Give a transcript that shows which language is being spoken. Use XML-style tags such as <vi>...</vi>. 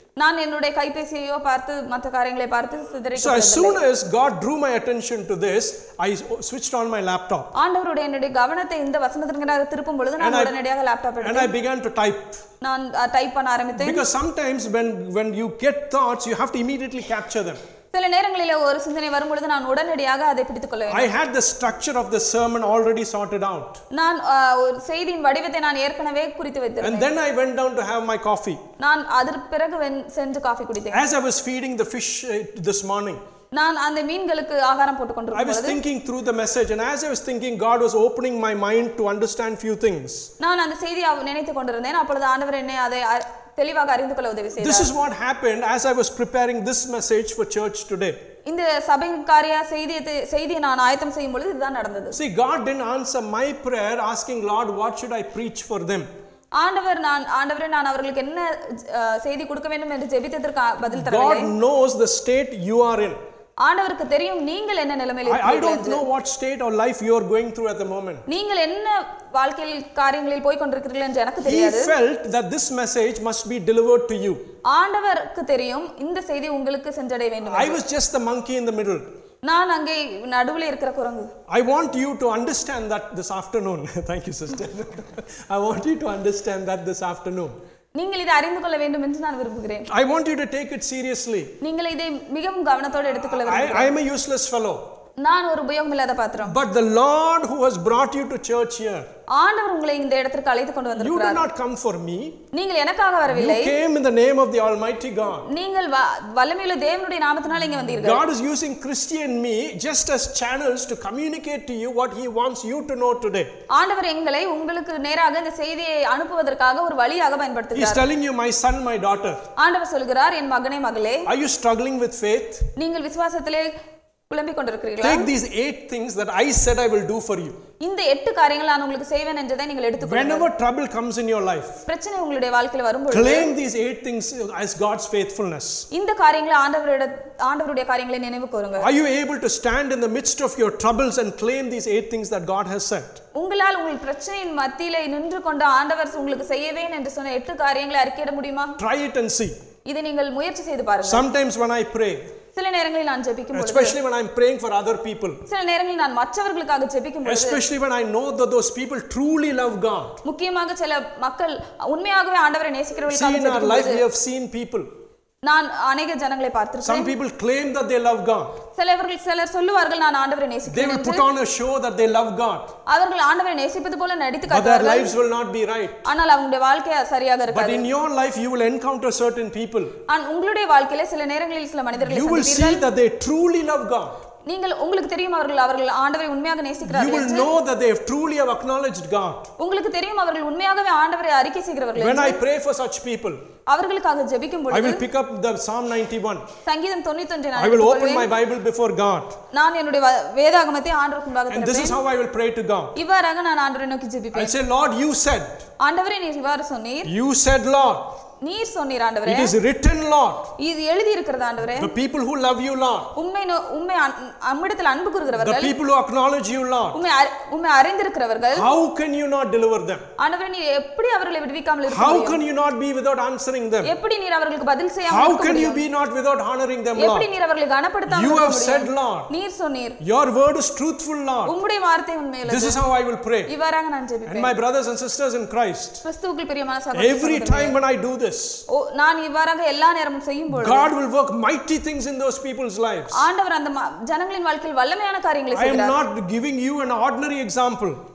<ta>நான் என்னுடைய கைபேசியையோ பார்த்து மற்ற காரியங்களை பார்த்து சிதறிக்கொண்டேன்.</ta> <en>So as soon as God drew my attention to this, I switched on my laptop.</en> <ta>ஆண்டவருடைய என்னுடைய கவனத்தை இந்த வசனத்திற்கு திருப்பும் பொழுது நான் உடனடியாக லேப்டாப் எடுத்தேன்.</ta> <en>And I began to type.</en> <ta>நான் டைப் பண்ண ஆரம்பித்தேன்.</ta> <en>Because sometimes when you get thoughts, you have to immediately capture them.</en> <ta>சில நேரங்களில ஒரு சிந்தனை வரும்பொழுது நான் உடனடியாக அதை பிடித்துக் கொள்ள வேண்டும்.</ta> <en>I had the structure of the sermon already sorted out.</en> <ta>நான் ஒரு செய்தியின் வடிவத்தை நான் ஏற்கனவே குறித்து வைத்திருந்தேன்.</ta> <en>And then I went down to have my coffee.</en> <ta>நான் அதற்கு சென்று காபி குடித்தேன்.</ta> <en>As I was feeding the fish this morning.</en> <ta>நான் அந்த மீன்களுக்கு ஆகாரம் போட்டுக்கொண்டிருந்தேன்.</ta> <en>I was thinking through the message and as I was thinking God was opening my mind to understand few things.</en> <ta>நான் அந்த செய்தியை நினைத்துக் கொண்டிருந்தேன். அப்பொழுது ஆண்டவர் என்னை அதை தெளிவாக அறிந்து கொள்ள உதவி செய்தார்.</ta> <en>This is what happened as I was preparing this message for church today.</en> <ta>இந்த சபையின் காரிய செய்தியை நான் ஆயத்தம் செய்யும் பொழுது இதுதான் நடந்தது.</ta> <en>See, God didn't answer my prayer asking Lord what should I preach for them.</en> <ta>ஆண்டவர் நான் அவர்களுக்கு என்ன செய்தி கொடுக்க வேண்டும் என்று ஜெபித்ததற்கு பதில் தரவில்லை.</ta> <en>God knows the state you are in.</en> <ta>ஆண்டவருக்கு தெரியும் நீங்கள் என்ன நிலையில் இருக்கிறீர்கள்.</ta> <en>I don't know what state or life you are going through at the moment.</en> <ta>நீங்கள் என்ன வாழ்க்கையில் காரியங்களில் போய் கொண்டிருக்கிறீர்கள் என்று எனக்கு தெரியாது.</ta> <en>He felt that this message must be delivered to you.</en> <ta>ஆண்டவருக்கு தெரியும் இந்த செய்தி உங்களுக்கு சென்றடைய வேண்டும்.</ta> <en>I was just the monkey in the middle.</en> <ta>நான் அங்கே நடுவில் இருக்கிற குரங்கு.</ta> <en>I want you to understand that this afternoon. Thank you sister. I want you to understand that this afternoon.</en> <ta>நீங்கள் இதை அறிந்து கொள்ள வேண்டும் என்று நான் விரும்புகிறேன்.</ta> <en>I want you to take it seriously.</en> <ta>நீங்கள் இதை மிகவும் கவனத்தோடு எடுத்துக்கொள்ள வேண்டும்.</ta> <en>I am a useless fellow.</en> <ta>நான் ஒரு உபயோகமில்லாத பாத்திரம்.</ta> <en>But the Lord who has brought you to church here.</en> <ta>ஆண்டவர் உங்களை இந்த இடத்திற்கு அழைத்து கொண்டு வந்திருக்கிறார்.</ta> <en>You did not come for me.</en> <ta>நீங்கள் எனக்காக வரவில்லை.</ta> <en>You came in the name of the Almighty God.</en> <ta>நீங்கள் வல்லமையுள்ள தேவனுடைய நாமத்தினால் இங்கே வந்தீர்கள்.</ta> <en>God is using Christian me just as channels to communicate to you what he wants you to know today.</en> <ta>ஆண்டவர் எங்களை உங்களுக்கு நேராக இந்த செய்தியை அனுப்புவதற்காக ஒரு வழியாக பயன்படுத்துகிறார்.</ta> <en>He is telling you my son my daughter.</en> <ta>ஆண்டவர் சொல்கிறார் என் மகனே மகளே.</ta> <en>Are you struggling with faith?</en> <ta>நீங்கள் விசுவாசத்திலே</ta> <en>Take these 8 things that I said I will do for you.</en> <ta>இந்த 8 காரியங்களை நான் உங்களுக்கு செய்வேன் என்றதை நீங்கள் எடுத்துக்கொள்ளுங்கள்.</ta> <en>Whenever trouble comes in your life.</en> <ta>பிரச்சனை உங்களுடைய வாழ்க்கையில வரும்போது.</ta> <en>Claim these 8 things as God's faithfulness.</en> <ta>இந்த காரியங்களை ஆண்டவருடைய காரியங்களை நினைவு கூறுங்கள்.</ta> <en>Are you able to stand in the midst of your troubles and claim these 8 things that God has said?</en> <ta>உங்களால் உங்கள் பிரச்சனையின் மத்தியில் நின்று கொண்டு ஆண்டவர் உங்களுக்கு செய்வேன் என்று சொன்ன 8 காரியங்களை அறிக்கையிட முடியுமா?</ta> <en>Try it and see.</en> <ta>இதை நீங்கள் முயற்சி செய்து பாருங்கள்.</ta> <en>Sometimes when I pray.</en> <ta>சில நேரங்களில் நான் ஜெபிக்கும் பொழுது</ta> <en>especially when I'm praying for other people.</en> <ta>சில நேரங்களில் நான் மற்றவர்களுக்காக ஜெபிக்கும் பொழுது</ta> <en>especially when I know that those people truly love God.</en> <ta>முக்கியமாக சில மக்கள் உண்மையாகவே ஆண்டவரை நேசிக்கிறவர்களாக இருக்கும் பொழுது</ta> <en>see in our life we have seen people.</en> <ta>நான் அநேக ஜனங்களை பார்த்திருக்கிறேன்.</ta> <en>Some people claim that they love God.</en> <ta>சிலவர்கள் சிலர் சொல்லுவார்கள் நான் ஆண்டவரை நேசிக்கிறேன் என்று.</ta> <en>They will put on a show that they love God.</en> <ta>அவர்கள் ஆண்டவரை நேசிப்பது போல நடித்து காட்டுவார்கள்.</ta> <en>But their lives will not be right.</en> <ta>ஆனால் அவருடைய வாழ்க்கை சரியாக இருக்காது.</ta> <en>But in your life you will encounter certain people.</en> <ta>On உங்களுடைய வாழ்க்கையில சில நேரங்களில் சில மனிதர்களை சந்திப்பீர்கள்.</ta> <en>You will see that they truly love God.</en> <ta>நீங்கள் உங்களுக்கு தெரியும் அவர்கள் ஆண்டவரை உண்மையாக நேசிக்கிறார்கள்.</ta> <en>You will know that they have truly have acknowledged God.</en> <ta>உங்களுக்கு தெரியும் அவர்கள் உண்மையாகவே ஆண்டவரை அறிக்கை செய்கிறவர்கள்.</ta> <en>When I pray for such people.</en> <ta>அவர்களுக்காக ஜெபிக்கும் பொழுது</ta> <en>I will pick up the Psalm 91.</en> <ta>சங்கீதம் 91 நான்</ta> <en>I will open my Bible before God.</en> <ta>நான் என்னுடைய வேதாகமத்தை ஆண்டவருக்கு முன்பாக திறப்பேன்.</ta> <en>And this is how I will pray to God.</en> <ta>இவ்வாறாக நான் ஆண்டவரை நோக்கி ஜெபிப்பேன்.</ta> <en>I say Lord you said.</en> <ta>ஆண்டவரே நீர் இவ்வாறு சொன்னீர்.</ta> <en>You said Lord.</en> <ta>நீர் சொன்னீர் ஆண்டவரே.</ta> <en>It is written Lord.</en> <ta>இது எழுதி இருக்கிறது ஆண்டவரே.</ta> <en>The people who love you Lord.</en> <ta>உம்மை அம்மிடத்தில் அன்பு கூறுகிறவர்கள்.</ta> <en>The people who acknowledge you Lord.</en> <ta>உம்மை அறிந்திருக்கிறவர்கள்.</ta> <en>How can you not deliver them?</en> <ta>ஆண்டவரே நீர் எப்படி அவர்களை விடுவிக்காமல் இருக்க முடியும்?</ta> <en>How can you not be without answering them?</en> <ta>எப்படி நீர் அவர்களுக்கு பதில் செய்யாமல் இருக்க முடியும்?</ta> <en>How can you be not without honoring them Lord?</en> <ta>எப்படி நீர் அவர்களை கனப்படுத்தாமல் இருக்க முடியும்?</ta> <en>You have said Lord.</en> <ta>நீர் சொன்னீர்.</ta> <en>Your word is truthful Lord.</en> <ta>உம்முடைய வார்த்தை உண்மையல்ல.</ta> <en>This is how I will pray.</en> <ta>இவ்வாறாக நான் ஜெபிப்பேன்.</ta> <en>And my brothers and sisters in Christ.</en> <ta>கிறிஸ்துவுக்குள் பிரியமான சகோதரர்களே.</ta> <en>Every time when I do God will work mighty things in those people's lives. I am not giving you an ordinary example.</en>